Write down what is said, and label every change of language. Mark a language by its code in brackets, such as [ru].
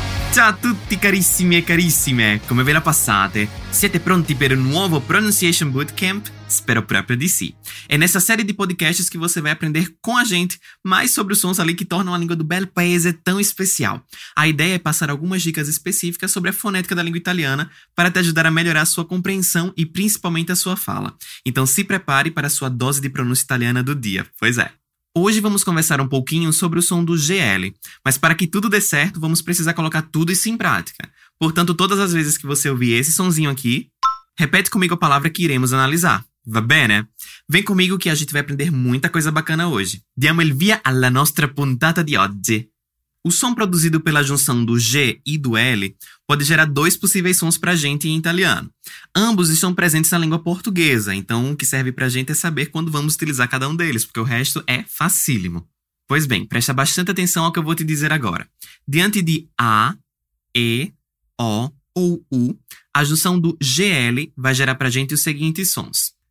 [it] Ciao a tutti carissimi e carissime, come ve la passate? Siete pronti per un nuovo Pronunciation Bootcamp? Spero proprio di sì. [pt] É nessa série de podcasts que você vai aprender com a gente mais sobre os sons ali que tornam a língua do belo paese tão especial. A ideia é passar algumas dicas específicas sobre a fonética da língua italiana para te ajudar a melhorar a sua compreensão e principalmente a sua fala. Então se prepare para a sua dose de pronúncia italiana do dia, pois é. Hoje vamos conversar um pouquinho sobre o som do GL, mas para que tudo dê certo, vamos precisar colocar tudo isso em prática. Portanto, todas as vezes que você ouvir esse sonzinho aqui, repete comigo a palavra que iremos analisar. [it] Va bene? [pt] Vem comigo que a gente vai aprender muita coisa bacana hoje. [it] Diamo il via alla nostra puntata di oggi. [pt] O som produzido pela junção do G e do L pode gerar dois possíveis sons para a gente em italiano. Ambos estão presentes na língua portuguesa, então o que serve para a gente é saber quando vamos utilizar cada um deles, porque o resto é facílimo. Pois bem, presta bastante atenção ao que eu vou te dizer agora. Diante de A, E, O ou U, a junção do GL vai gerar para a gente os seguintes sons.